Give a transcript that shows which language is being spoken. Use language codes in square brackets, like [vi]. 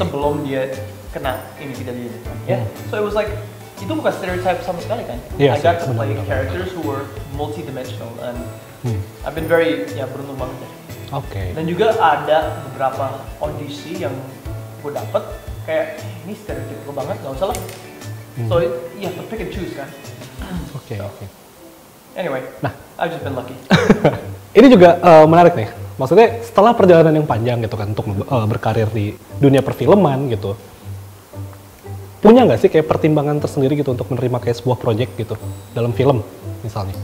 [id] Sebelum dia kena ini tidak dia. Yeah. [en] So it was like, [id] itu bukan stereotype sama sekali kan? [en] Yes, I got to play characters who were multidimensional and I've been very, [id] ya beruntung banget ya. [en] Okay. [id] Dan juga ada beberapa audisi yang gue dapet kayak ini stereotype banget, gak usah lah. [en] So ya, to pick and choose kan? Okay, so, okay. Anyway, [id] nah, [en] I've just been lucky. [id] Ini juga menarik nih, maksudnya setelah perjalanan yang panjang gitu kan untuk berkarir di dunia perfilman gitu, punya nggak sih kayak pertimbangan tersendiri gitu untuk menerima kayak sebuah proyek gitu dalam film misalnya?